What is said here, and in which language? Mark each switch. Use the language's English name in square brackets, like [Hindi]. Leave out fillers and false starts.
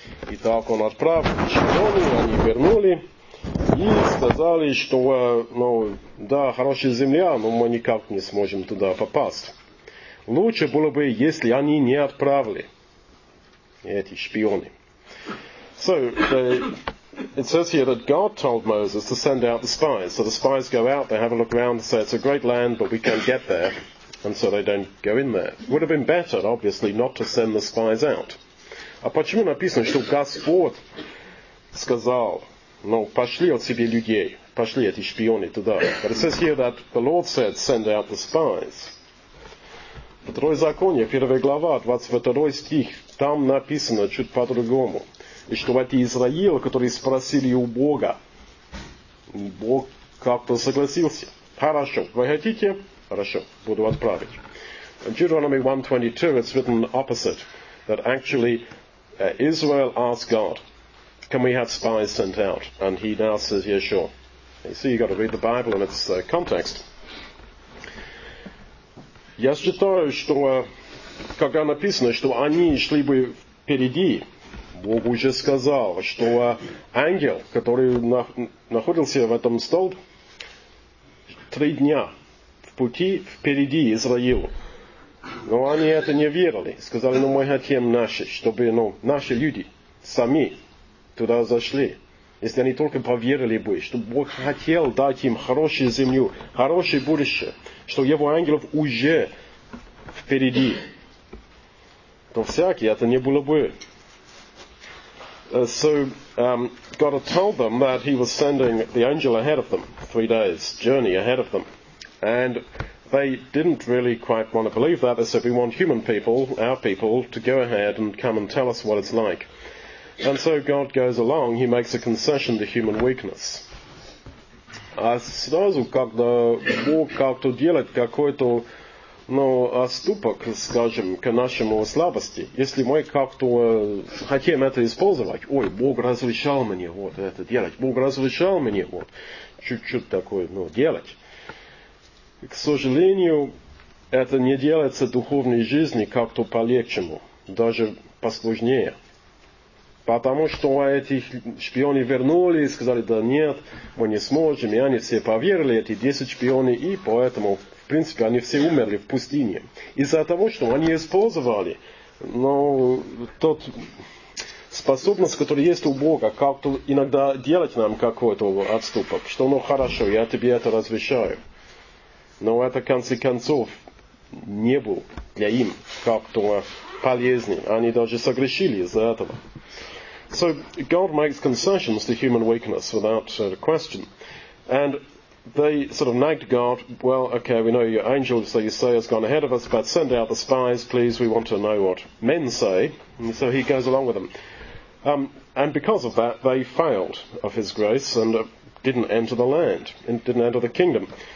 [Russian] Итак, он отправил чиновников, они вернули и сказали, что, ну, да, хорошая земля, но мы никак не сможем туда попасть. Лучше было бы, если они не отправили эти шпионы. [English] So, it says here that God told Moses to send out the spies. So the spies go out, they have a look around, say it's a great land, but we can't get there. And so they don't go in there. Would have been better, obviously, not to send the spies out. [Russian] А почему написано, что Господь сказал, ну, пошли от себя людей, пошли эти шпионы туда. [English] But it says here that the Lord said, send out the spies. [Russian] Второе законие, первая глава, 22 стих, там написано чуть по-другому. И что эти Израилы, которые спросили у Бога, и Бог как-то согласился. Хорошо, вы хотите? Хорошо, буду отправить. [English] In Deuteronomy 1:22 it's written opposite, that actually Israel asked God, can we have spies sent out? And he now says, yeah, sure. You see, you've got to read the Bible in its context. [Russian] Я считаю, что когда написано, что они шли бы впереди, Бог уже сказал, что ангел, который находился в этом столбе, 3 дня в пути впереди Израилу. Но они это не верили. Сказали, ну мы хотим наши, чтобы ну, наши люди сами туда зашли. Если они только поверили бы, что Бог хотел дать им хорошую землю, хорошее будущее, что его ангелов уже впереди, то всякий это не было бы. [English] God had told them that he was sending the angel ahead of them, 3 days' journey ahead of them. And they didn't really quite want to believe that. They said, we want human people, our people, to go ahead and come and tell us what it's like. And so God goes along, he makes a concession to human weakness. [Russian] Сразу, когда Бог как-то делает какой-то, ну, оступок, скажем, к нашему слабости, если мы как-то хотим это использовать, ой, Бог разрешал мне вот это делать, Бог разрешал мне вот чуть-чуть такое, ну, делать. К сожалению, это не делается в духовной жизни как-то полегчему, даже посложнее. Потому что эти шпионы вернулись и сказали, да нет, мы не сможем. И они все поверили, эти 10 шпионов, и поэтому, в принципе, они все умерли в пустыне. Из-за того, что они использовали, ну, тот способность, которая есть у Бога, как-то иногда делать нам какой-то отступок, что ну хорошо, я тебе это разрешаю. Но это, в конце концов, не было для им как-то полезным. Они даже согрешили из-за этого. [English] So God makes concessions to human weakness without question. And they sort of nagged God, well, okay, we know your angel, so you say, has gone ahead of us, but send out the spies, please, we want to know what men say. And so he goes along with them. And because of that, they failed of his grace and didn't enter the land, and didn't enter the kingdom.